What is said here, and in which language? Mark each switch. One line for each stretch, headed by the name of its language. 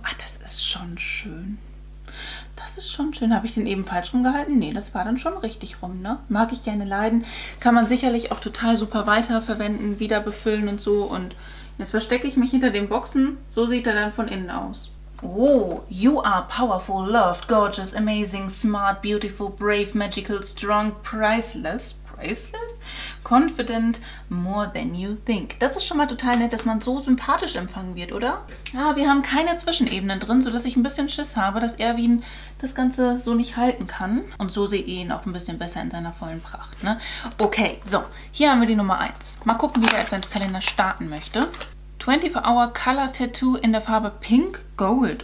German: Ach, das ist schon schön. Das ist schon schön. Habe ich den eben falsch rumgehalten? Nee, das war dann schon richtig rum, ne? Mag ich gerne leiden. Kann man sicherlich auch total super weiterverwenden, wieder befüllen und so. Und jetzt verstecke ich mich hinter den Boxen. So sieht er dann von innen aus.
English: Oh, you are powerful, loved, gorgeous, amazing, smart, beautiful, brave, magical, strong, priceless, priceless, confident, more than you think.
German: Das ist schon mal total nett, dass man so sympathisch empfangen wird, oder? Ja, wir haben keine Zwischenebenen drin, sodass ich ein bisschen Schiss habe, dass Erwin das Ganze so nicht halten kann. Und so sehe ich ihn auch ein bisschen besser in seiner vollen Pracht, ne? Okay, so, hier haben wir die Nummer 1. Mal gucken, wie der Adventskalender starten möchte. 24-Hour Color Tattoo in der Farbe Pink Gold.